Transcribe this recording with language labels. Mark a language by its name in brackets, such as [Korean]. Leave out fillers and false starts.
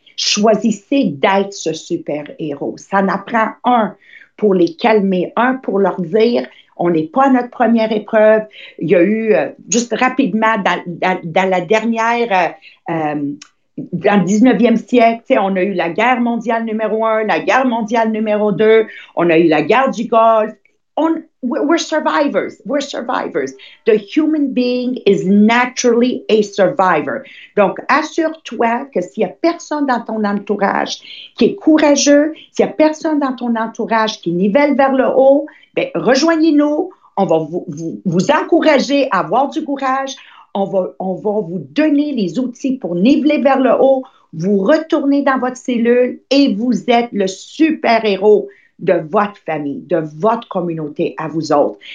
[French] Choisissez d'être ce super-héros. Ça en prend un pour les calmer, un pour leur dire, on n'est pas à notre première épreuve. Il y a eu, juste rapidement, dans la dernière. Dans le 19e siècle, tu sais, on a eu la guerre mondiale numéro un, la guerre mondiale numéro deux, on a eu la guerre du Golfe. [English] We're survivors. The human being is naturally a survivor. [French] Donc, assure-toi que s'il n'y a personne dans ton entourage qui est courageux, s'il n'y a personne dans ton entourage qui nivelle vers le haut, ben, rejoignez-nous. On va vous encourager à avoir du courage. On va vous donner les outils pour niveler vers le haut, vous retourner dans votre cellule et vous êtes le super-héros de votre famille, de votre communauté à vous autres.